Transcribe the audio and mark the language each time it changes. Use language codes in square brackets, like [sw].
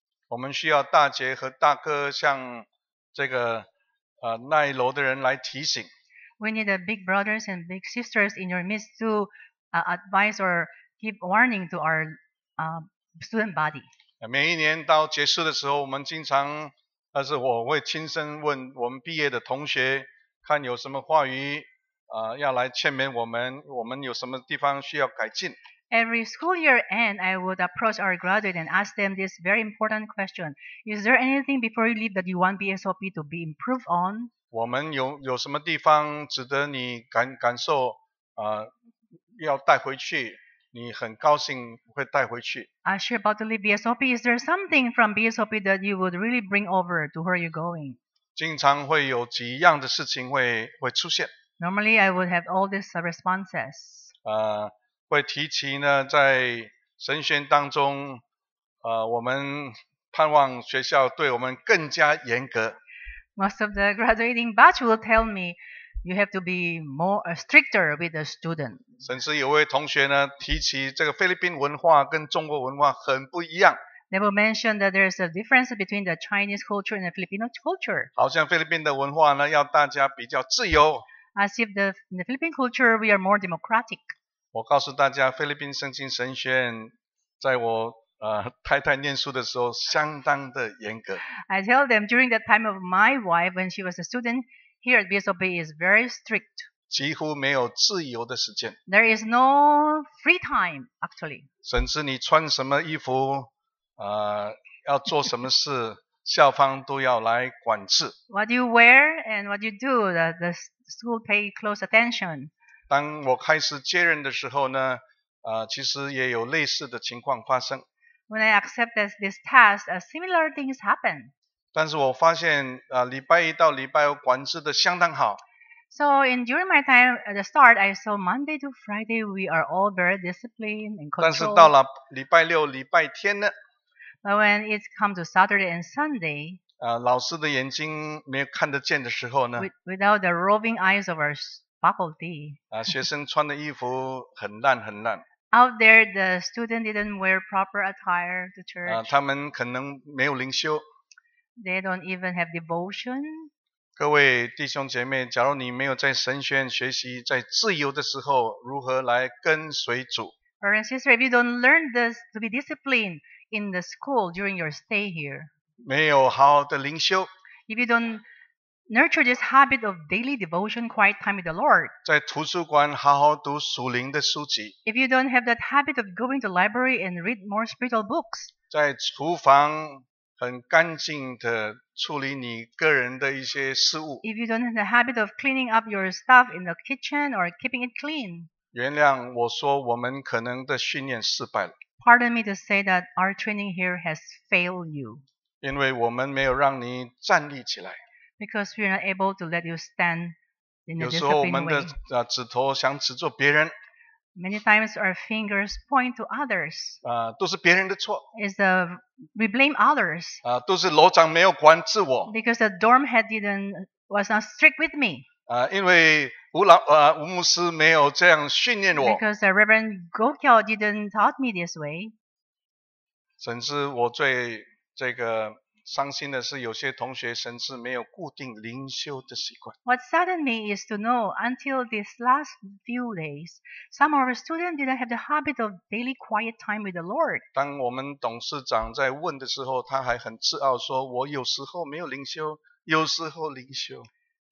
[zh] 我们需要大姐和大哥向这个那一楼的人来提醒。 [en] We need the big brothers and big sisters in your midst to advise or give warning to our student body. [zh] 每一年到结束的时候，我们经常，但是我会亲身问我们毕业的同学，看有什么话语要来劝勉我们，我们有什么地方需要改进。 [en] Every school year end, I would approach our graduate and ask them this very important question. Is there anything before you leave that you want BSOP to be improved on? [zh] 我们 有什么地方值得你 感受要带回去，你很高兴会带回去。 [en] As you're about to leave BSOP, is there something from BSOP that you would really bring over to where you're going? [zh] 经常会有几样的事情 会出现。 [en] Normally, I would have all these responses. [zh] 会提起呢，在神学当中，我们盼望学校对我们更加严格。 [en] Most of the graduating batch will tell me you have to be more stricter with the student. [zh] 甚至有位同学呢，提起这个菲律宾文化跟中国文化很不一样。 [en] They will mention that there is a difference between the Chinese culture and the Filipino culture. [zh] 好像菲律宾的文化呢，要大家比较自由。 [en] As if in the Philippine culture we are more democratic. [zh] 我告诉大家，菲律宾圣经神学院在我太太念书的时候相当的严格。 [en] I tell them during the time of my wife when she was a student here at BSOP is very strict. [zh] 几乎没有自由的时间。 [en] There is no free time actually. [zh] 甚至你穿什么衣服要做什么事校方都要来管制。 [en] What you wear and what you do, the school pay close attention. [zh] 当我开始接任的时候呢，其实也有类似的情况发生。 [en] When I accepted this task, similar things happen. [zh] 但是我发现礼拜一到礼拜五管制的相当好。 [en] So in during my time at the start, I saw Monday to Friday we are all very disciplined and controlled. [zh] 但是到了礼拜六、礼拜天呢？ [en] But when it comes to Saturday and Sunday, [zh] 老师的眼睛没有看得见的时候呢 [en] ？Without the roving eyes of our faculty， [zh] 学生穿的衣服很烂很烂。 [en] Out there, the student didn't wear proper attire to church。 [zh] 他们可能没有灵修。 [en] They don't even have devotion。 [zh] 各位弟兄姐妹，假如你没有在神学院学习，在自由的时候如何来跟随主 [en] ？Brother and sister, if you don't learn this to be disciplined in the school during your stay here。 [zh] 没有好的灵修。 [en] If you don't nurture this habit of daily devotion, quiet time with the Lord. [zh] 在图书馆好好读属灵的书籍。 [en] If you don't have that habit of going to the library and read more spiritual books. [zh] 在厨房很干净的处理你个人的一些事物。 [en] If you don't have the habit of cleaning up your stuff in the kitchen or keeping it clean. [zh] 原谅我说我们可能的训练失败了。 [en] Pardon me to say that our training here has failed you. [zh] 因为我们没有让你站立起来。 [en] Because we are not able to let you stand in a disciplined way. [zh] 有时候我们的指头想指着别人。 [en] Many times our fingers point to others. [zh] 都是别人的错。 [en] We blame others. [zh] 都是楼长没有管制我。 [en] Because the dorm head was not strict with me. [zh] 因为吴牧师没有这样训练我。 [en] Because the Reverend Gokyo didn't taught me this way. [zh] 甚至我最这个伤心的是，有些同学甚至没有固定灵修的习惯。 [en] What saddened me is to know, until these last few days, some of our students didn't have the habit of daily quiet time with the Lord. [zh] 当我们董事长在问的时候，他还很自傲说：“我有时候没有灵修，有时候灵修。”